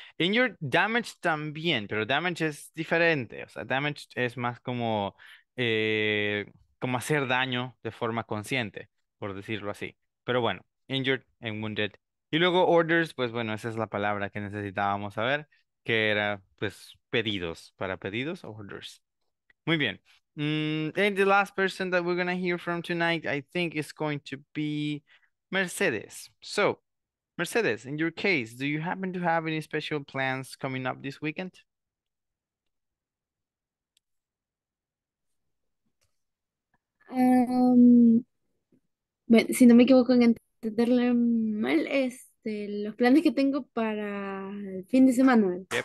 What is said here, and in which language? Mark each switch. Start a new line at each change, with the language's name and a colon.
Spanish: Injured, damage también, pero damage es diferente, o sea, damage es más como como hacer daño de forma consciente, por decirlo así. Pero bueno,
English: injured and wounded.
Spanish: Y luego orders, pues bueno, esa es la palabra que necesitábamos saber, que era, pues, pedidos, para pedidos, orders. Muy bien.
English: And the last person that we're going to hear from tonight, I think, is going to be Mercedes. So, Mercedes, in your case, do you happen to have any special plans coming up this weekend?
Spanish: Bueno, si no me equivoco en entenderle mal, los planes que tengo para el fin de semana.